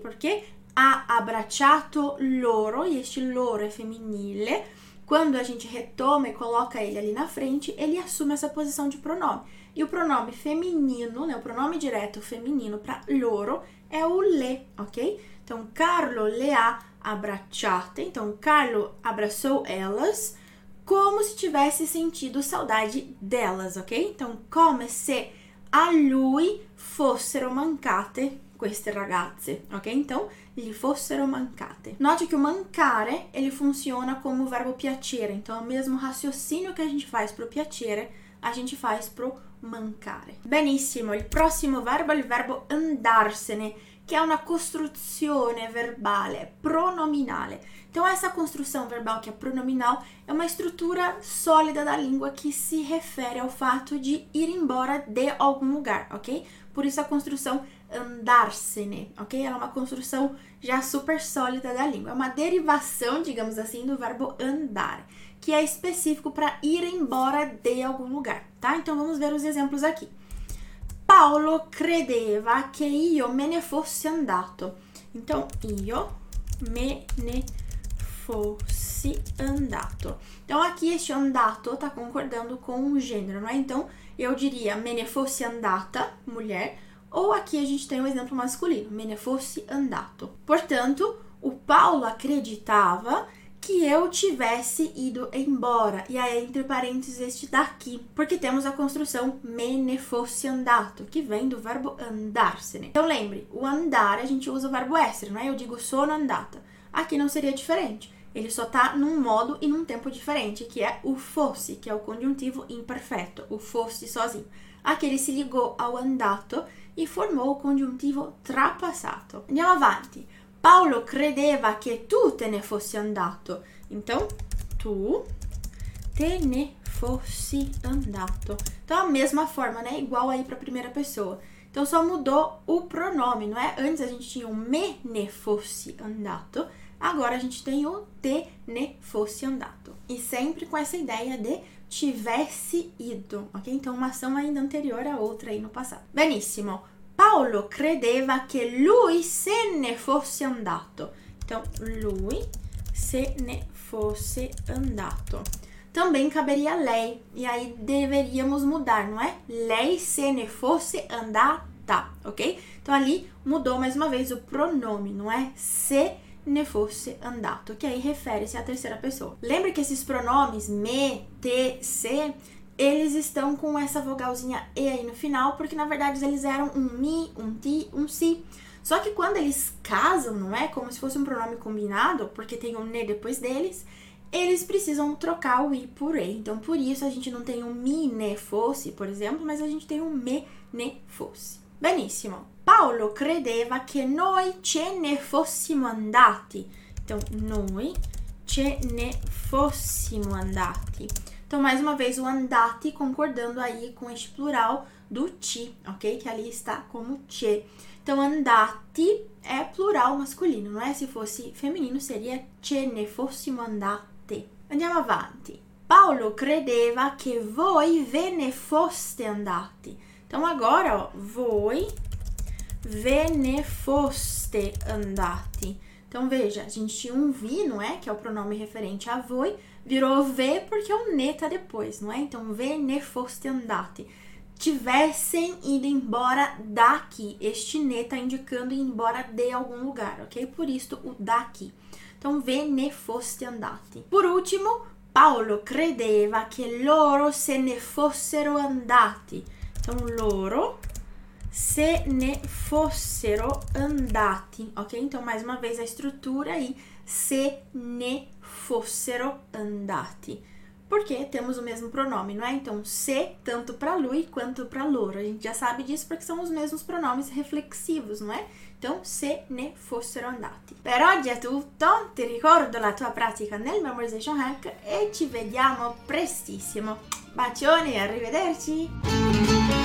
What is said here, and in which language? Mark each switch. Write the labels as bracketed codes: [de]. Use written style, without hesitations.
[pt] Porque [it] ha abbracciato loro, [pt] e este loro é femminile. Quando a gente retoma e coloca ele ali na frente, ele assume essa posição de pronome. E o pronome feminino, né, o pronome direto feminino para loro, é o le, ok? [it] Então, Carlo le ha abbracciate. [pt] Então, Carlo abraçou elas como se tivesse sentido saudade delas, ok? [it] Então, come se a lui fossero mancate queste ragazze, ok? Então, gli fossero mancate. [pt] Note que o mancare, ele funciona como verbo piacere. Então, o mesmo raciocínio que a gente faz pro piacere, a gente faz pro mancare. [it] Benissimo, il prossimo verbo è il verbo andarsene, che è una costruzione verbale pronominale. [pt] Então, essa construção verbal [it] che è [pt] pronominal [it] è una struttura solida [pt] da lingua [it] che si refere al fatto di [pt] ir embora de algum lugar, ok? Por isso a construção andarsene, ok? Ela é uma construção já super sólida da língua. É uma derivação, digamos assim, do verbo andar, que é específico para ir embora de algum lugar, tá? Então vamos ver os exemplos aqui. [it] Paulo credeva che io me ne fossi andato. Então, io me ne fossi andato. [pt] Então aqui este andato tá concordando com o gênero, não é? Então eu diria [it] me ne fossi andata, [pt] mulher. Ou aqui a gente tem um exemplo masculino, [it] me ne fossi andato. [pt] Portanto, o Paulo acreditava que eu tivesse ido embora. E aí, entre parênteses, este daqui. Porque temos a construção [it] me ne fossi andato, [pt] que vem do verbo andarsene. Então lembre, o andare a gente usa o verbo essere, não é? Eu digo [it] sono andata. [pt] Aqui não seria diferente. Ele só tá num modo e num tempo diferente, que é o fosse, que é o conjuntivo imperfeito, o fosse sozinho. Aqui ele se ligou ao andato e formou o conjuntivo trapassato. [it] Andiamo avanti. Paulo credeva che tu te ne fossi andato. Então, tu te ne fossi andato. [pt] Então, a mesma forma, né? Igual aí para a primeira pessoa. Então, só mudou o pronome, não é? Antes a gente tinha o [it] me ne fossi andato. [pt] Agora a gente tem o [it] te ne fossi andato. [pt] E sempre com essa ideia de tivesse ido, ok? Então, uma ação ainda anterior à outra aí no passado. [it] Benissimo. Paulo credeva che lui se ne fosse andato. Então, lui se ne fosse andato. [pt] Também caberia lei. E aí deveríamos mudar, não é? [it] Lei se ne fosse andata, ok? [pt] Então, ali mudou mais uma vez o pronome, não é? [it] Se ne fosse andato, [pt] que aí refere-se à terceira pessoa. Lembra que esses pronomes me, te, se, eles estão com essa vogalzinha e aí no final, porque na verdade eles eram um mi, um ti, um si. Só que quando eles casam, não é? Como se fosse um pronome combinado, porque tem um ne depois deles, eles precisam trocar o i por e. Então, por isso a gente não tem um [it] mi, ne, fosse, [pt] por exemplo, mas a gente tem um [it] me, ne, fosse. Benissimo. Paulo credeva che noi ce ne fossimo andati. Então, noi ce ne fossimo andati. [pt] Então, mais uma vez, o andati concordando aí com este plural do ti, ok? Que ali está como ce. Então, andati é plural masculino, não é? Se fosse feminino, seria [it] ce ne fossimo andate. Andiamo avanti. Paulo credeva che voi ve ne foste andati. Então, agora, ó, voi ve ne foste andati. [pt] Então, veja, a gente tinha um vi, não é? Que é o pronome referente a voi. Virou ve porque o ne tá depois, não é? Então, [it] ve ne foste andati. [pt] Tivessem ido embora daqui. Este ne tá indicando ir embora de algum lugar, ok? Por isso, o daqui. Então, [it] ve ne foste andati. Por último, Paulo credeva che loro se ne fossero andati. Então, loro se ne fossero andati, ok? [pt] Então, mais uma vez, a estrutura aí, [it] se ne fossero andati. [pt] Porque temos o mesmo pronome, não é? Então, se, tanto para lui quanto para loro. A gente já sabe disso porque são os mesmos pronomes reflexivos, não é? Então, [it] se ne fossero andati. Per oggi è tutto. Ti ricordo la tua pratica nel Memorization Hack e ci vediamo prestissimo. Bacioni e arrivederci!